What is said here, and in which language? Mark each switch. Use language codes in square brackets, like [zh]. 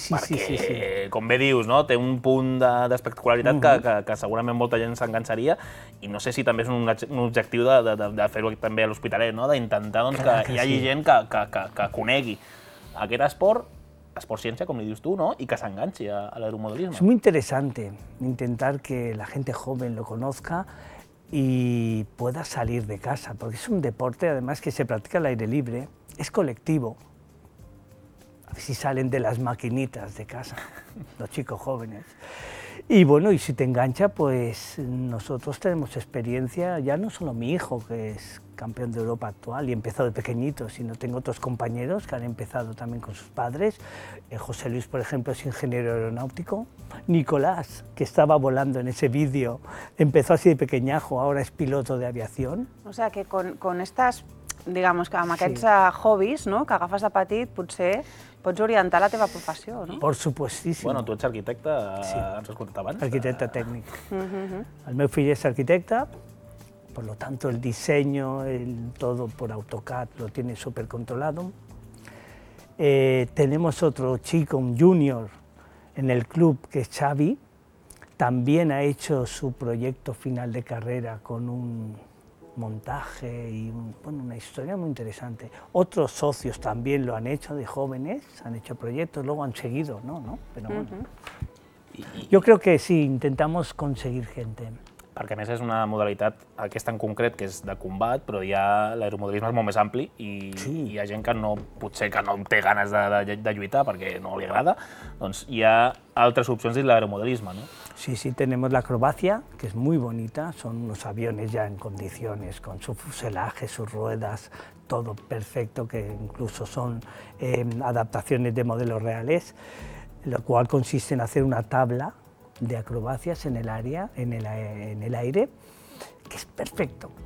[ca] Perquè, com bé dius, té un punt d'espectacularitat que segurament molta gent s'enganxaria, i no sé si també és un objectiu de fer-ho també a l'Hospitalet, no? D'intentar que hi hagi gent que conegui aquest esport, esport-ciència, com li dius tu, no? I que s'enganxi a l'aeromodelisme. És molt interessant intentar que la gent jove [es] lo conozca y pueda salir de casa, porque es un deporte, además, que se practica al aire libre, es colectivo. A ver si salen de las maquinitas de casa, los chicos jóvenes. Y bueno, y si te engancha, pues nosotros tenemos experiencia, ya no solo mi hijo, que es campeón de Europa actual y empezó de pequeñito, sino tengo otros compañeros que han empezado también con sus padres. José Luis, por ejemplo, es ingeniero aeronáutico. Nicolás, que estaba volando en ese vídeo, empezó así de pequeñajo, ahora es piloto de aviación. O sea, que con estas, digamos, [ca] que amb aquests hobbies, no?, que agafes de petit, potser pots orientar la teva professió, no? [es] Por supuestísimo. [ca] Bueno, tu ets arquitecte, ens has contat abans. Arquitecte tècnic. El meu fill és arquitecte, [es] por lo tanto, el diseño, el todo por AutoCAD lo tiene súper controlado. Tenemos otro chico, un junior, en el club, que es Xavi. También ha hecho su proyecto final de carrera con un montaje y una historia muy interesante. Otros socios también lo han hecho, de jóvenes, han hecho proyectos, luego han seguido, ¿no? Pero bueno, yo creo que sí, intentamos conseguir gente. [ca] Perquè a més és una modalitat, aquesta en concret, que és de combat, però ja l'aeromodelisme és molt més ampli i hi ha gent que potser no té ganes de lluitar perquè no li agrada, doncs hi ha altres opcions dins l'aeromodelisme, no? [es] Sí, tenemos la acrobacia, que es muy bonita, son unos aviones ya en condiciones, con su fuselaje, sus ruedas, todo perfecto, que incluso son adaptaciones de modelos reales, lo cual consiste en hacer una tabla de acrobacias en el área, en el aire, que es perfecto.